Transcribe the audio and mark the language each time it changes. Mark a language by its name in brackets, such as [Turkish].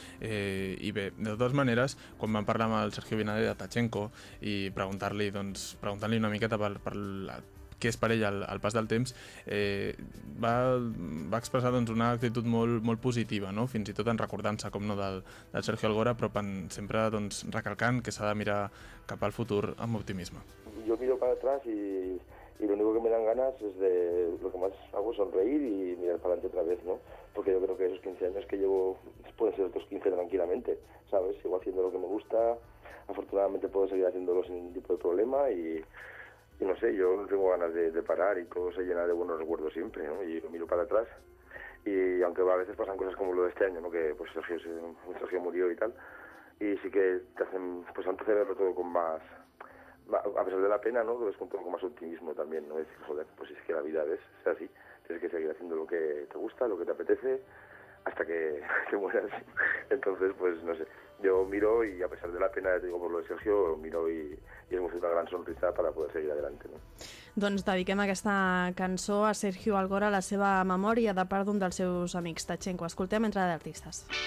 [Catalan] I bé, de totes maneres, quan vam parlar amb el Sergio Binader de Tachenko i preguntar-li doncs, una miqueta per la que és per ell el pas del temps, va expressar doncs, una actitud molt, molt positiva, no? Fins i tot en recordant-se, com no, del Sergio Algora, però sempre doncs, recalcant que s'ha de mirar cap al futur amb optimisme. [Spanish] Jo miro per atrás i l'únic que me dan ganas és de... Lo que más hago es sonreír y mirar para adelante otra vez, ¿no? Porque yo creo que esos 15 años que llevo pueden ser otros 15 tranquilamente, ¿sabes? Sigo haciendo lo que me gusta, afortunadamente puedo seguir haciéndolo sin ningún tipo de problema y no sé, yo tengo ganas de parar y todo se llena de buenos recuerdos siempre, ¿no? Y lo miro para atrás y aunque a veces pasan cosas como lo de este año, ¿no? Que pues Sergio murió y tal, y sí que te hacen, pues antes de verlo todo con más, a pesar de la pena, ¿no? Lo ves con todo con más optimismo también, ¿no? Es decir, joder, pues es que la vida es así, tienes que seguir haciendo lo que te gusta, lo que te apetece, hasta que te mueras. Entonces, pues no sé, yo miro y a pesar de la pena, ya te digo, por lo de Sergio, miro y es una gran sonrisa para poder seguir adelante, ¿no? [Catalan] Doncs dediquem aquesta cançó a Sergio Algora, la seva memòria, de part d'un dels seus amics, Tachenko. Escoltem Entrada d'Artistes.